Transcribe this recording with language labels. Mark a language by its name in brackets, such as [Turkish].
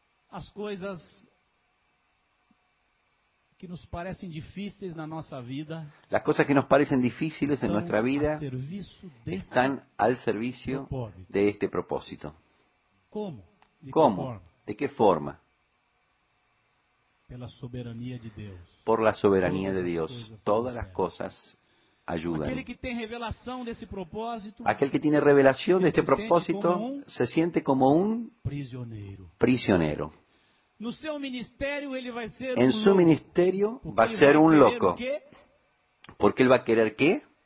[Portuguese] As coisas que nos parecem difíceis na nossa vida. [Spanish] Las cosas que nos parecen difíciles en nuestra vida están al servicio de este propósito. [Portuguese] Como? Como? De que forma? Pela soberania de Deus. [Spanish] Por la soberanía de Dios. Todas las cosas ayudan. [Portuguese] Aquele que tem revelação desse propósito. [Spanish] Aquel que tiene revelación de este propósito se siente como un prisionero. [Portuguese] No seu ministério ele vai ser [Spanish] en su ministerio va a ser un loco. Porque él va a querer ¿qué?